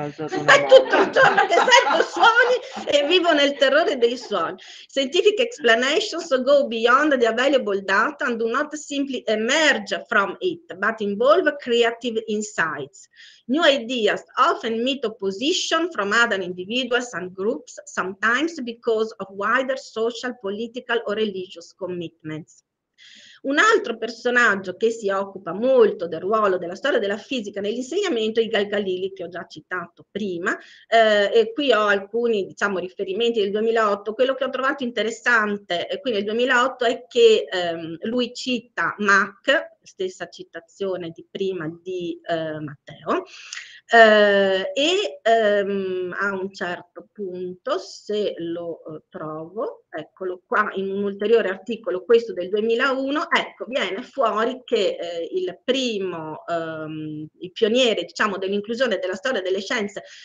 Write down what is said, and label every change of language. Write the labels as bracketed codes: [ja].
[it] È tutto il giorno che sento suoni e vivo nel terrore dei suoni. [en] Scientific explanations go beyond the available data and do not simply emerge from it, but involve creative insights. New ideas often meet opposition from other individuals and groups, sometimes because of wider social, political or religious commitments. [it] Un altro personaggio che si occupa molto del ruolo della storia della fisica nell'insegnamento è Yigal Galili, che ho già citato prima, e qui ho alcuni, diciamo, riferimenti del 2008. Quello che ho trovato interessante qui nel 2008 è che lui cita Mack, stessa citazione di prima di Matteo, a un certo punto, se lo trovo, eccolo qua, in un ulteriore articolo, questo del 2001, ecco, viene fuori che il primo, il pioniere, diciamo, dell'inclusione della storia delle scienze